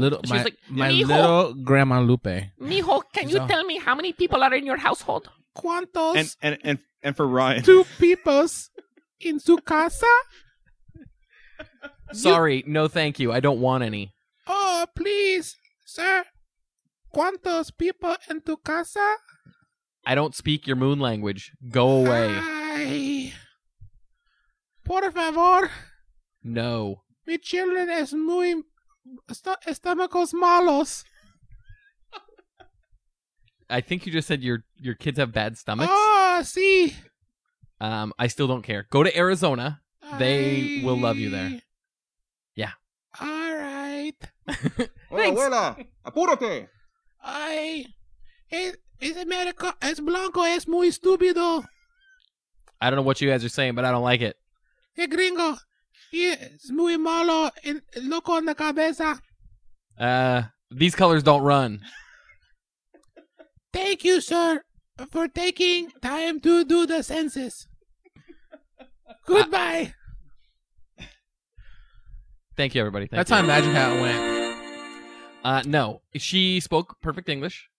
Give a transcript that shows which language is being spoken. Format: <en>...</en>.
<en>Little, my, she's like, my mijo, little grandma Lupe. Mijo, can you tell me how many people are in your household?</en> <es>¿Cuántos?</es> <en>And for Ryan. Two peoples in</en> <es>su casa?</es> <en>Sorry, no thank you. I don't want any. Oh, please, sir.</en> <es>¿Cuántos</es> <en>people</en> <es>en tu casa?</es> <en>I don't speak your moon language. Go away.</en> <es>Ay. Por favor.</es> <en>No.</en> <es>Mi</es> <en>children</en> <es>es muy estómagos malos.</es> <en>I think you just said your kids have bad stomachs.</en> <es>Oh, sí.</es> <en>I still don't care. Go to Arizona. They will love you there. Yeah. All right. Thanks.</en> <es>Hola, abuela. Apúrate. Ay. Es America. Es blanco. Es muy estúpido.</es> <en>I don't know what you guys are saying, but I don't like it.</en> <es>Hey, gringo, es muy malo en loco en la cabeza.</es> <en>These colors don't run. Thank you, sir, for taking time to do the census. Goodbye. Thank you, everybody. Thank That's you. How I imagine how it went. No, she spoke perfect English.</en>